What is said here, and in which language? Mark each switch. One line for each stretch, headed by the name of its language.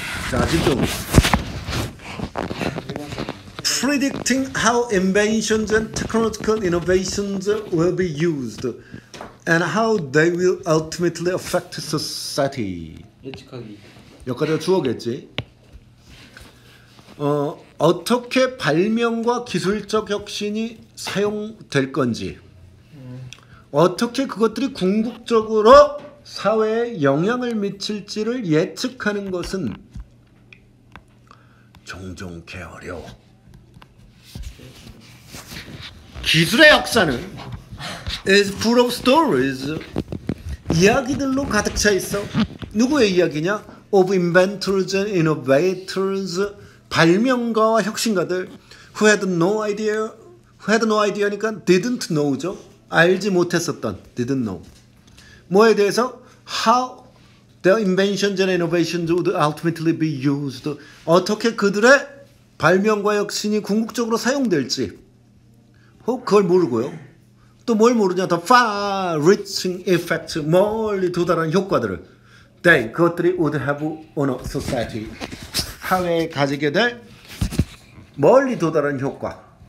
Korean: 자 지금
English: Predicting how inventions and technological innovations will be used and how they will ultimately affect society.
Korean: 예측하기. 여기까지가 주어겠지. 어떻게 발명과 기술적 혁신이 사용될 건지, 어떻게 그것들이 궁극적으로 사회에 영향을 미칠지를 예측하는 것은 종종 개어려워. 기술의 역사는
English: is full of stories.
Korean: 이야기들로 가득 차 있어. 누구의 이야기냐?
English: Of inventors and innovators.
Korean: 발명가와 혁신가들.
English: Who had no idea? Who had no idea니까 didn't know죠.
Korean: 알지 못했었던.
English: Didn't know.
Korean: 뭐에 대해서?
English: How The inventions and innovations would ultimately be used.
Korean: 어떻게 그들의 발명과 혁신이 궁극적으로 사용될지. 혹 그걸 모르고요. 또 뭘 모르냐.
English: The far-reaching effects.
Korean: 멀리 도달한 효과들을.
English: Then
Korean: 그것들이
English: would have on a society.
Korean: 사회에 가지게 될 멀리 도달한 효과.